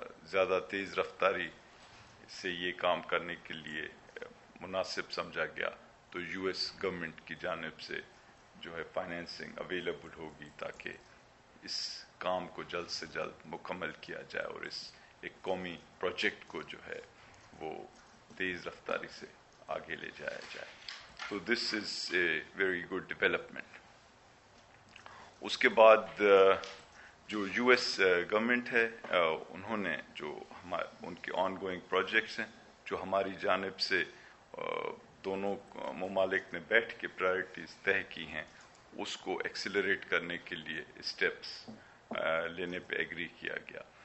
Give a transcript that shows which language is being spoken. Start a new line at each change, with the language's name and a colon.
Urdu: زیادہ تیز رفتاری سے یہ کام کرنے کے لیے مناسب سمجھا گیا تو یو ایس گورنمنٹ کی جانب سے جو ہے فائنینسنگ اویلیبل ہوگی تاکہ اس کام کو جلد سے جلد مکمل کیا جائے اور اس ایک قومی پروجیکٹ کو جو ہے وہ تیز رفتاری سے آگے لے جایا جائے.
English: تو this is a very good development.
Urdu: اس کے بعد جو یو ایس گورنمنٹ ہے انہوں نے جو ان کے آن گوئنگ پروجیکٹس ہیں جو ہماری جانب سے دونوں ممالک نے بیٹھ کے پرائیورٹیز طے کی ہیں اس کو ایکسیلریٹ کرنے کے لیے اسٹیپس لینے پہ ایگری کیا گیا.